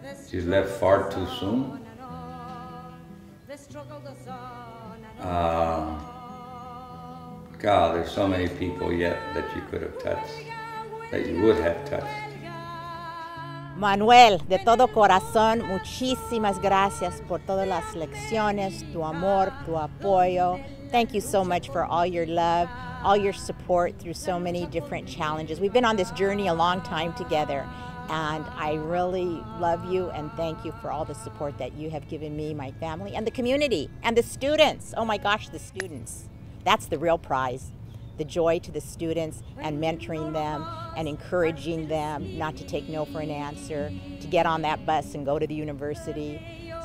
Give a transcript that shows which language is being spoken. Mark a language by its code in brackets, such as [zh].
[en] She left far too soon. God, there's so many people yet that you could have touched, that you would have touched. [es] Manuel, de todo corazón, muchísimas gracias por todas las lecciones, tu amor, tu apoyo, [en] Thank you so much for all your love, all your support through so many different challenges. We've been on this journey a long time together, and I really love you and thank you for all the support that you have given me, my family, and the community, and the students. Oh my gosh, the students. That's the real prize. The joy to the students and mentoring them and encouraging them not to take no for an answer, to get on that bus and go to the university.